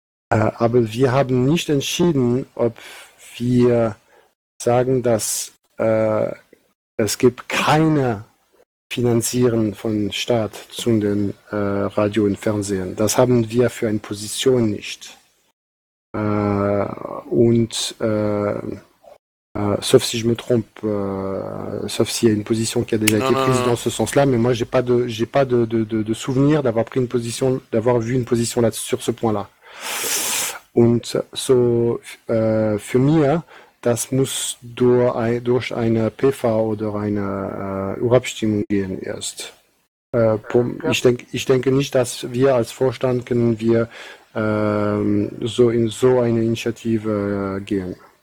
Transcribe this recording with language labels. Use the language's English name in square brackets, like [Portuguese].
[German] Aber wir haben nicht entschieden, ob wir sagen, dass es gibt keine Finanzieren von Staat zu den Radio und Fernsehen. Das haben wir für eine Position nicht. [French] Sauf si je me trompe, sauf s'il y a une position qui a déjà été prise dans Non, ce sens-là, mais moi j'ai pas de souvenir d'avoir pris une position, d'avoir vu une position là sur ce point-là. [German] Und so für mich, das muss durch eine PV oder eine Urabstimmung gehen erst. ja. Ich denke nicht, dass wir als Vorstand können wir so in so eine Initiative gehen.